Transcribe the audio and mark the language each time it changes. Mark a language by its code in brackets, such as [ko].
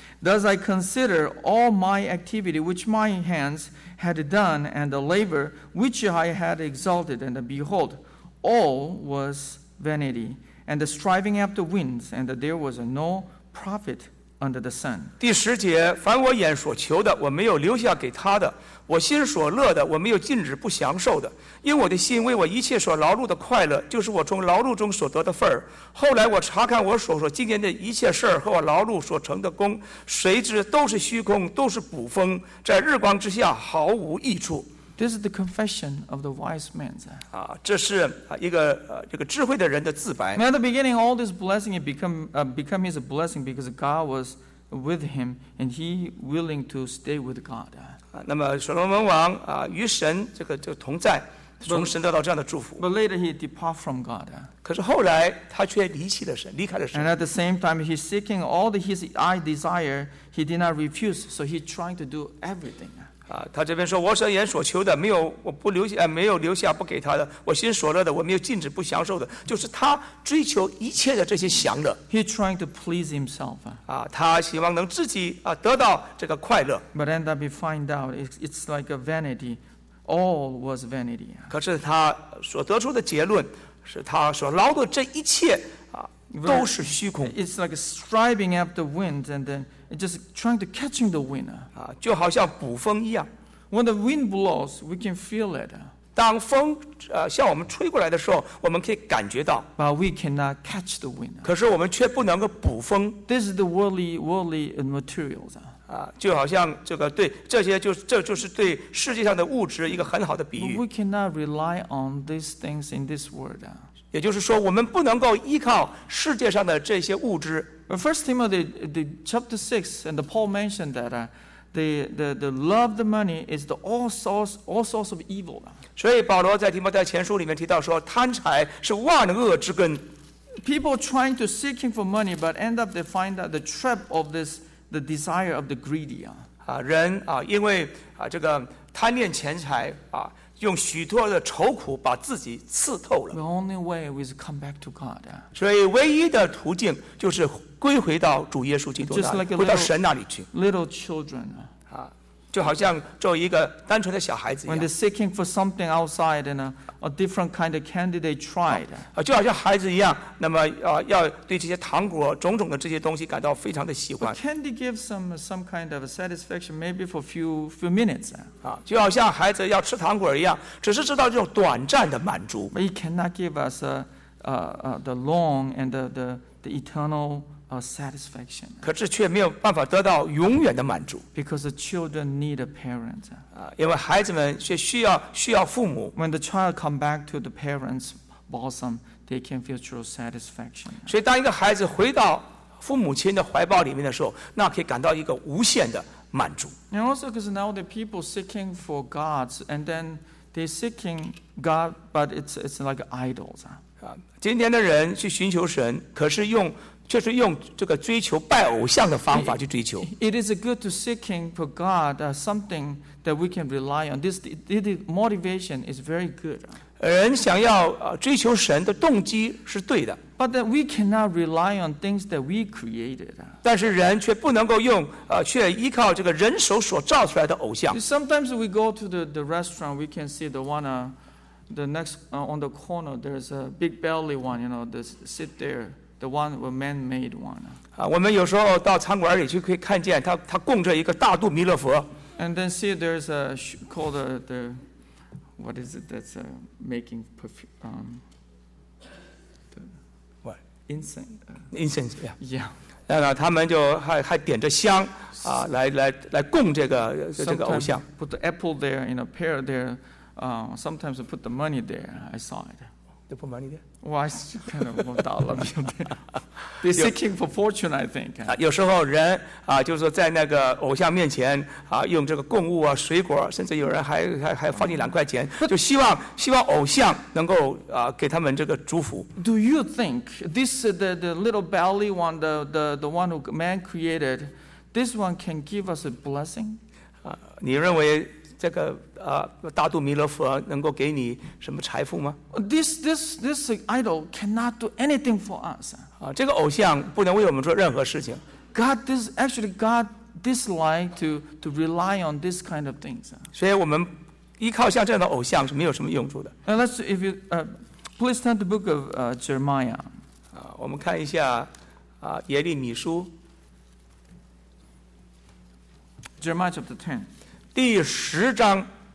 [en] Thus I consider all my activity which my hands had done and the labor which I had exalted, and behold, all was vanity and the striving after winds, and there was no profit under the sun. [zh] 第十节，凡我眼所求的，我没有留下给他的；我心所乐的，我没有禁止不享受的。因我的心为我一切所劳碌的快乐，就是我从劳碌中所得的份儿。后来我查看我所经验的一切事儿和我劳碌所成的功，谁知都是虚空，都是捕风，在日光之下毫无益处。 [en] This is the confession of the wise man. [zh] 啊，这是一个这个智慧的人的自白。 [en] At the beginning, all this blessing became his blessing because God was with him and he willing to stay with God. [zh] 那么所罗门王与神这个同在，从神得到这样的祝福。 [en] But later he departed from God. [zh] 可是后来他却离弃了神，离开了神。 [en] And at the same time, he's seeking all that his eye desire. He did not refuse, so he's trying to do everything. [zh] 他这边说，我所眼所求的，没有我不留下，没有留下不给他的，我心所乐的，我没有禁止不享受的，就是他追求一切的这些享乐。 [en] He's trying to please himself. [zh] 他希望能自己得到这个快乐。 [en] But end up he find out it's like a vanity. All was vanity. [zh] 可是他所得出的结论是他所捞的这一切都是虚空。 [en] It's like striving after the wind and then just trying to catch the wind. [zh] 就好像捕风一样。 [en] When the wind blows, we can feel it. [zh] 当风向我们吹过来的时候，我们可以感觉到。 [en] But we cannot catch the wind. [zh] 可是我们却不能够捕风。 [en] This is the worldly materials. [zh] 就好像这个对这些就这就是对世界上的物质一个很好的比喻。 [en] We cannot rely on these things in this world. [zh] 也就是说，我们不能够依靠世界上的这些物质。 [en] First Timothy the chapter 6 and Paul mentioned that the love of the money is the all source of evil. [zh] 所以保罗在提摩太前书里面提到说，贪财是万恶之根。 [en] People trying to seeking for money, but end up they find that the trap of this. The desire of the greedy. [zh] 人因为这个贪恋钱财用许多的愁苦把自己刺透了。 [en] The only way is to come back to God. [zh] 所以唯一的途径就是归回到主耶稣基督那里，回到神那里去。 [en] Little children. [zh] 就好像做一个单纯的小孩子一样。 [en] When they're seeking for something outside, and a different kind of candy they tried. [zh] 就好像孩子一样，那么要对这些糖果种种的这些东西感到非常的喜欢。 [en] But candy gives some kind of satisfaction, maybe for few minutes. [zh] 就好像孩子要吃糖果一样，只是知道这种短暂的满足。 [en] But it cannot give us the long and the eternal. Satisfaction. [zh] 可是却没有办法得到永远的满足。 [en] Because the children need a parent. [zh] 因为孩子们却需要父母。 [en] When the child come back to the parents' bosom, they can feel true satisfaction. [zh] 所以当一个孩子回到父母亲的怀抱里面的时候，那可以感到一个无限的满足。 [en] And also because now the people seeking for gods, and then they seeking God, but it's like idols. [zh] 今天的人去寻求神，可是用却是用这个追求拜偶像的方法去追求。 [en] It is good to seeking for God something that we can rely on. This motivation is very good. [zh] 人想要追求神的动机是对的。 [en] But that we cannot rely on things that we created. [zh] 但是人却不能够用却依靠这个人手所造出来的偶像。 [en] Sometimes we go to the restaurant, we can see the one the next on the corner. There's a big belly one, you know, just sit there. The one were man-made one. [zh] 我们有时候到餐馆里去，可以看见他供着一个大肚弥勒佛。 [en] And then see there's a called the what is it that's making perfume the what incense yeah. [zh] 然后他们就还点着香来供这个偶像。 [en] Sometimes put the apple there, you know, pear there. Sometimes put the money there. I saw it. They put money there. Why is it kind of more dollar? They're seeking for fortune, I think. [zh] 有时候人就是说在那个偶像面前用这个供物水果，甚至有人还放进两块钱，就希望偶像能够给他们这个祝福。 [en] Do you think this the little belly one, the one who man created, this one can give us a blessing? [zh] 你认为？这个大肚弥勒佛能够给你什么财富吗 [en] ？This idol cannot do anything for us. [zh] 这个偶像不能为我们做任何事情。 [en] God dislike to rely on this kind of things. [zh] 所以我们依靠像这样的偶像是没有什么用处的。 [en] And let's if you please turn to the book of Jeremiah. [zh] 我们看一下耶利米书。 [en] Jeremiah chapter 10. [zh] 第十章